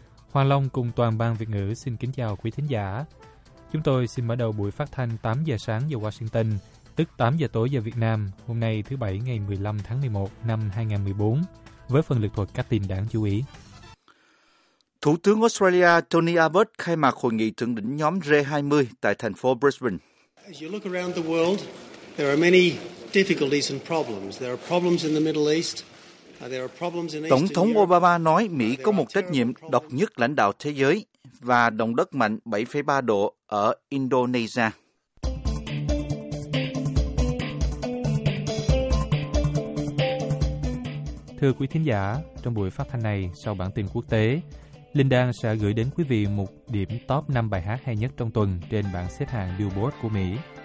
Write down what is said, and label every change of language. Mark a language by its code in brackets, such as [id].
[vi] Hoàng Long cùng toàn ban Việt ngữ xin kính chào quý thính giả. Chúng tôi xin mở đầu buổi phát thanh 8 giờ sáng giờ Washington, tức 8 giờ tối giờ Việt Nam, hôm nay thứ Bảy ngày 15 tháng 11 năm 2014, với phần lược thuật các tin đáng chú ý. Thủ tướng Australia Tony Abbott khai mạc hội nghị thượng đỉnh nhóm G20 tại thành phố Brisbane. [en] As you look around the world, there are many difficulties and problems. There are problems in the Middle East. [vi] Tổng thống Obama nói Mỹ có một trách nhiệm độc nhất lãnh đạo thế giới và động đất mạnh 7,3 độ ở Indonesia. Thưa quý thính giả, trong buổi phát thanh này sau bản tin quốc tế, Linh Đan sẽ gửi đến quý vị một điểm top 5 bài hát hay nhất trong tuần trên bảng xếp hạng Billboard của Mỹ.